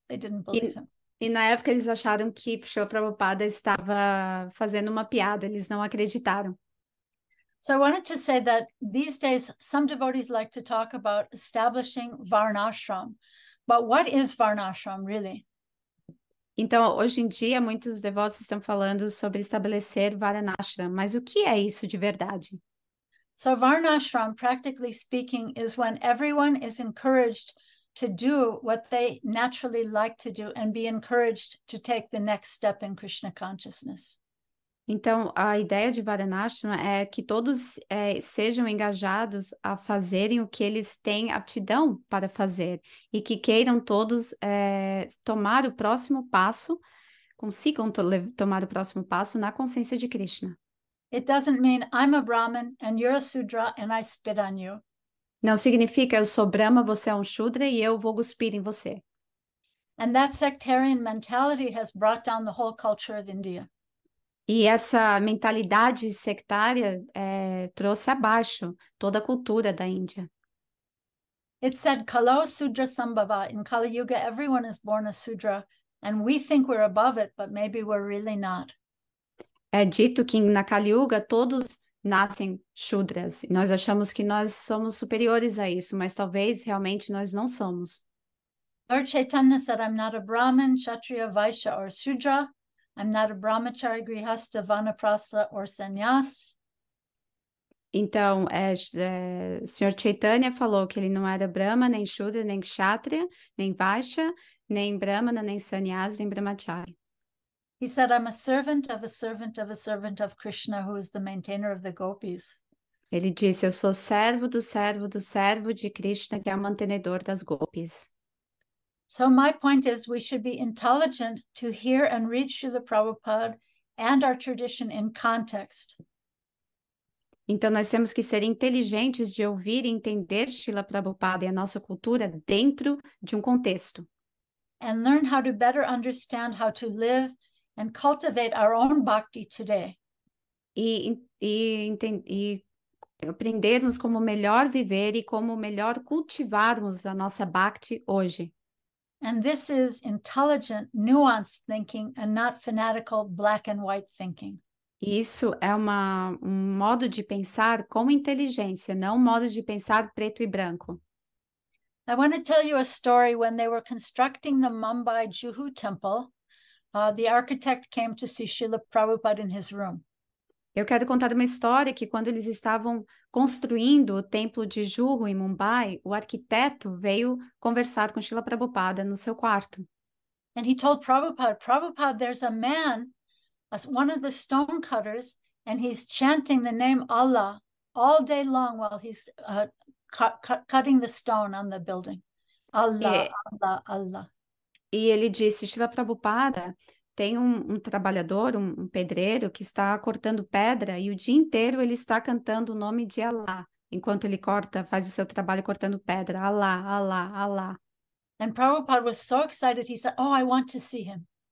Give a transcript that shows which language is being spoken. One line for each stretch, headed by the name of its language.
English: They didn't believe him.
Portuguese: E na época, eles acharam que Srila Prabhupada estava fazendo uma piada. Eles não acreditaram.
English: So I wanted to say that these days, some devotees like to talk about establishing Varnashram. But what is Varnashram, really?
Portuguese: Então, hoje em dia, muitos devotos estão falando sobre estabelecer Varnashram, mas o que é isso de verdade?
English: So, Varnashram, practically speaking, is when everyone is encouraged to do what they naturally like to do and be encouraged to take the next step in Krishna consciousness.
Portuguese: Então, a ideia de Varanashrama é que todos sejam engajados a fazerem o que eles têm aptidão para fazer e que queiram todos tomar o próximo passo, consigam tomar o próximo passo na consciência de Krishna.
English: It doesn't mean I'm a Brahmin and you're a Sudra and I spit on you.
Portuguese: Não significa eu sou Brahma, você é Shudra e eu vou cuspir em você.
English: And that sectarian mentality has brought down the whole culture of India.
Portuguese: E essa mentalidade sectária trouxe abaixo toda a cultura da Índia.
English: It said
Sanskrit: Kalo Sudra Sambhava.
English: In Kali Yuga, everyone is born a Sudra, and we think we're above it, but maybe we're really not.
Portuguese: É dito que na Kali Yuga todos nascem Shudras. Nós achamos que nós somos superiores a isso, mas talvez realmente nós não somos.
English: Lord Chaitanya said, I'm not a Brahmin, Kshatriya, Vaishya, or Sudra. I'm not a brahmachari, grihastha, vanaprastha, or sannyas.
Portuguese: Então, Sr. Chaitanya falou que ele não era Brahma, nem Shudra, nem Kshatriya, nem Vaishya, nem Brahmana, nem Sannyas, nem Brahmachari.
English: He said, I'm a servant of a servant of a servant of Krishna, who is the maintainer of the gopis.
Portuguese: Ele disse, eu sou servo do servo do servo de Krishna, que é o mantenedor das gopis.
English: So my point is, we should be intelligent to hear and read Srila Prabhupada and our tradition in context.
Portuguese: Então, nós temos que ser inteligentes de ouvir e entender Srila Prabhupada e a nossa cultura dentro de contexto.
English: And learn how to better understand how to live and cultivate our own bhakti today.
Portuguese: E aprendermos como melhor viver e como melhor cultivarmos a nossa bhakti hoje.
English: And this is intelligent, nuanced thinking and not fanatical black and white thinking.
Portuguese: Isso é um modo de pensar com inteligência, não um modo de pensar preto e branco.
English: I want to tell you a story when they were constructing the Mumbai Juhu Temple. The architect came to see Srila Prabhupada in his room.
Portuguese: Eu quero contar uma história que quando eles estavam construindo o templo de Juhu em Mumbai, o arquiteto veio conversar com Srila Prabhupada no seu quarto.
English: And he told Prabhupada, Prabhupada, there's a man, one of the stone cutters, and he's chanting the name Allah all day long while he's cutting the stone on the building. Allah, Allah, Allah.
Portuguese: E ele disse, Srila Prabhupada, tem um trabalhador, um pedreiro, que está cortando pedra e o dia inteiro ele está cantando o nome de Allah, enquanto ele corta, faz o seu trabalho cortando pedra. Allah, Allah, Allah.
English: And Prabhupada was so excited, he said, oh, I want to see him.